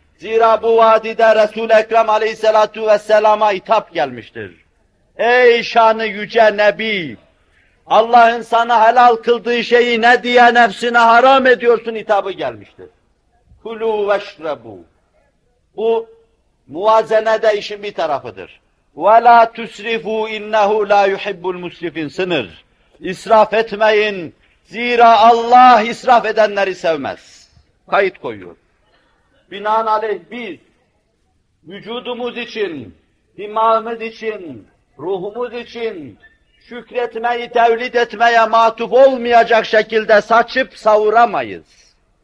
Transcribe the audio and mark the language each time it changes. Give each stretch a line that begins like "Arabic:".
Turkish: Zira bu vadide Resul-i Ekrem aleyhissalatu vesselama hitap gelmiştir. Ey şanı yüce Nebi! Allah'ın sana helal kıldığı şeyi ne diye nefsine haram ediyorsun hitabı gelmiştir.
Arabic: كُلُوا وَشْرَبُوا.
Turkish: Bu muvazenede işin bir tarafıdır.
Arabic: وَلَا تُسْرِفُوا اِنَّهُ لَا يُحِبُّ الْمُسْرِفِينَ
Turkish: Sınır. İsraf etmeyin. Zira Allah israf edenleri sevmez. Kayıt koyuyor. Binaenaleyh biz, vücudumuz için, dimağımız için, ruhumuz için, şükretmeyi tevlid etmeye matuf olmayacak şekilde saçıp savuramayız.